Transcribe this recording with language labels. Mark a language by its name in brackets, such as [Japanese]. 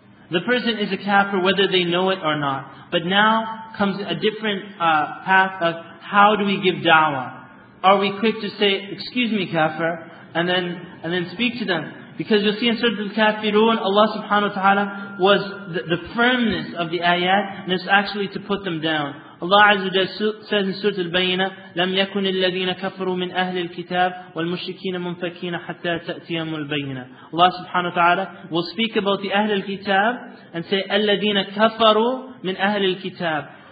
[English] The person is a kafir whether they know it or not. But now comes a different path of how do we give da'wah? Are we quick to say, excuse me kafir, and then speak to them? Because you'll see in Surah Al-Kafirun, Allah subhanahu wa ta'ala was the firmness of the ayat, and it's actually to put them down. Allah Azza wa Jalla says in Surah Al-Bayyinah, [Arabic] لَمْ يَكُنِ الَّذِينَ كَفَرُوا مِنْ أَهْلِ الْكِتَابِ وَالْمُشْرِكِينَ مُنْفَكِينَ حَتَّى تَأْتِيَهُمُ الْبَيِّنَةُ. [English] Allah subhanahu wa ta'ala will speak about the Ahl al-Kitab and say, [Arabic] الَّذِينَ كَفَرُوا مِنْ أَهْلِ الْكِتَابِ.